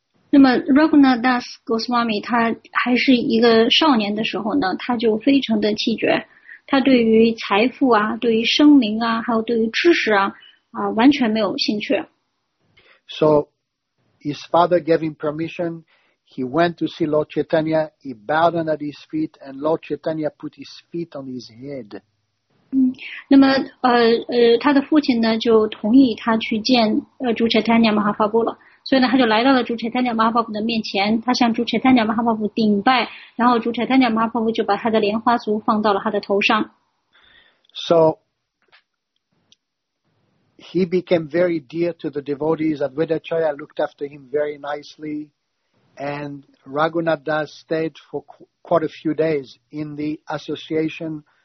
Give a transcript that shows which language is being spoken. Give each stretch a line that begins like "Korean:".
Chinese: 那么，Raghunath Das Goswami 他还是一个少年的时候呢，他就非常的气绝，他对于财富啊，对于声名啊，还有对于知识啊，完全没有兴趣。
English: So his father gave him permission. He went to see Lord Chaitanya. He bowed down at his feet, and Lord Chaitanya put his feet on his head.
Chinese: 那么他的父亲呢就同意他去见主 Chaitanya Mahaprabhu 了。所以呢，他就来到了主 Chaitanya Mahaprabhu 的面前，他向主 Chaitanya Mahaprabhu 顶拜，然后主 Chaitanya Mahaprabhu 就把他的莲花足放到了他的头上。
English: So he became very dear to the devotees. Advaitacharya looked after him very nicely, and Raghunath Das stayed for quite a few days in the association